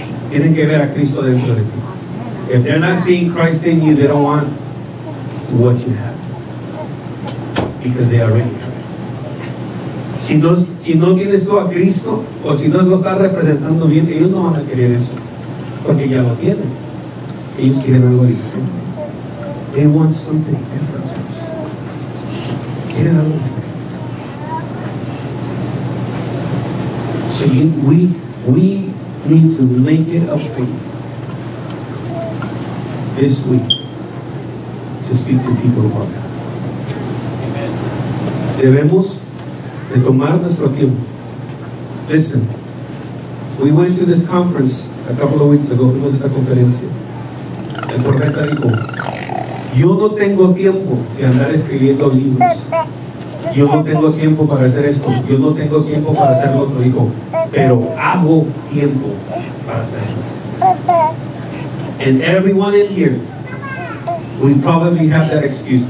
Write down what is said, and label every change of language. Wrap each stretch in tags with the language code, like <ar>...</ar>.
<es>Tienen que ver a Cristo dentro de ti.</es> <en>If they're not seeing Christ in you, they don't want what you have. Because they already have it.</en> <es>Si no tienes tú a Cristo, o si no lo estás representando bien, ellos no van a querer eso. Porque ya lo tienen. Ellos quieren algo diferente.</es> <en>They want something different.</en> <es>Quieren algo diferente.</es> <en>So we need to make it a faith this week to speak to people about God. Amen.</en> <es>Debemos de tomar nuestro tiempo.</es> <en>Listen, we went to this conference a couple of weeks ago.</en> <es>Fuimos a esta conferencia. El profeta dijo, yo no tengo tiempo de andar escribiendo libros. Yo no tengo tiempo para hacer esto. Yo no tengo tiempo para hacer lo otro. Dijo, pero hago tiempo para hacerlo.</es> <en>And everyone in here, we probably have that excuse.</en>